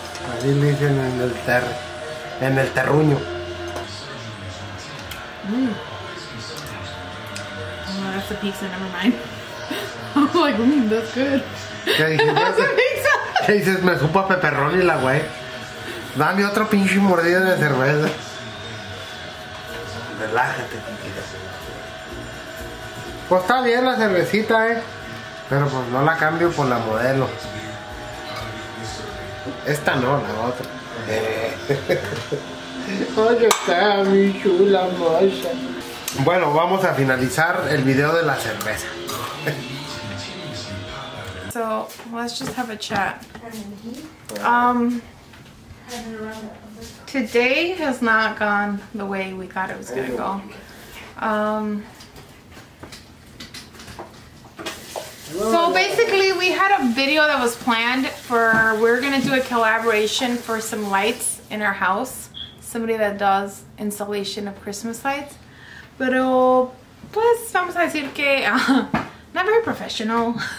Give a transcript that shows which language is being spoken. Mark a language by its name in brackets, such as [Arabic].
[Spanish] Ahí le dicen en el terruño. [English] Mm. Oh, that's a pizza, never mind. I'm like, that's good. [Spanish] ¿Qué dices? [English] That's a pizza. [Spanish] ¿Qué dices? Me supo a pepperoni la güey. Dame otro pinche mordida de cerveza. Relájate, tiquita. Pues está bien la cervecita, Pero pues no la cambio por la modelo. Esta no, la otra. Ay, está mi chula mocha. Bueno, vamos a finalizar el video de la cerveza. [English] So, let's just have a chat. Today has not gone the way we thought it was going to go. So basically we had a video that was planned for, we're going to do a collaboration for some lights in our house. Somebody that does installation of Christmas lights. [Spanish] Pero pues vamos a decir que [English] not very professional.